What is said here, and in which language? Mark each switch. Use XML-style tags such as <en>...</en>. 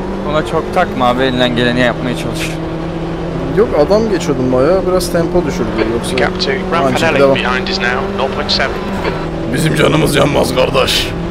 <tr>Ona çok takma abi, elinden geleni yapmaya çalış. Yok, adam geçiyordum bayağı, biraz tempo düşürdü yoksa.</tr> <en>Gap 2, Ramfanelli behind is now 0.7.</en> <tr>Bizim canımız yanmaz kardeş.</tr>